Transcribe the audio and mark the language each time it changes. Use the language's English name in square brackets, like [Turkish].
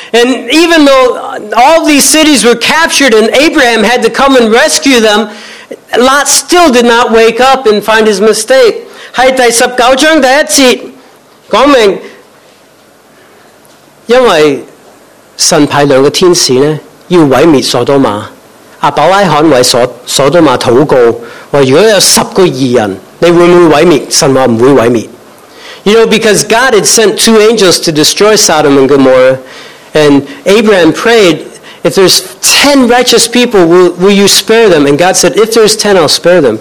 [English] And even though all these cities were captured and Abraham had to come and rescue them, Lot still did not wake up and find his mistake. [Cantonese] 喺第十九章第一节讲明，因为神派两个天使呢要毁灭所多玛，阿伯拉罕为所多玛祷告，话如果有十个异人，你会唔会毁灭？神话唔会毁灭。 [English] You know, because God had sent two angels to destroy Sodom and Gomorrah, and Abraham prayed, if there's 10 righteous people, will you spare them? And God said, if there's 10, I'll spare them.